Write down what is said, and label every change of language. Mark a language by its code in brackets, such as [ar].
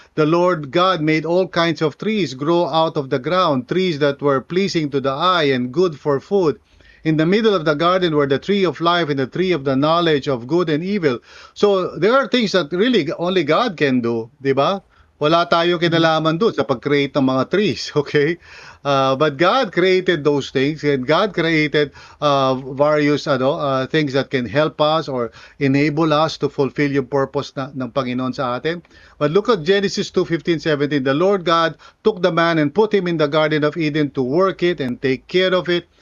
[en] The Lord God made all kinds of trees grow out of the ground, trees that were pleasing to the eye and good for food. In the middle of the garden were the tree of life and the tree of the knowledge of good and evil. So there are things that really only God can do, [tl] di ba? Wala tayo kinalaman doon sa pag-create ng mga trees, okay? [en] But God created those things, and God created various things that can help us or enable us to fulfill [tl] yung purpose ng Panginoon sa atin. [en] But look at Genesis 2:15-17. The Lord God took the man and put him in the Garden of Eden to work it and take care of it.